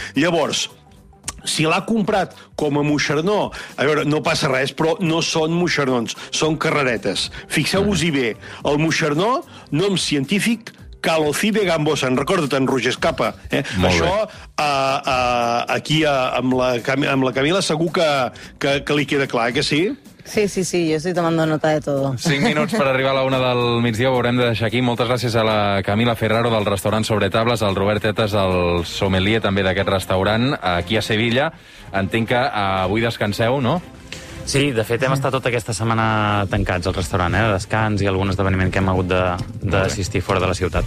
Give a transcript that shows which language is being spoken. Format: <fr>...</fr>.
<ca>Llavors, si l'ha comprat com a moixernó, a veure, no passa res, però no són moixernons, són carreretes. Fixeu-vos-hi bé, el moixernó, nom científic, Calocibe gambosa, en recorda-te'n, Roger Escapa. Això, aquí amb la Camila, segur que li queda clar, que sí?</ca> <es>Sí, yo estoy tomando nota de todo.</es> <ca>5 minuts per arribar a la una del migdia, ho haurem de deixar aquí. Moltes gràcies a la Camila Ferraro del restaurant Sobre Tables, al Robert Tetes, al sommelier també d'aquest restaurant, aquí a Sevilla. Entenc que avui descanseu, no? Sí, de fet hem estat tota aquesta setmana tancats al restaurant, de descans i algun esdeveniment que hem hagut d'assistir fora de la ciutat.</ca>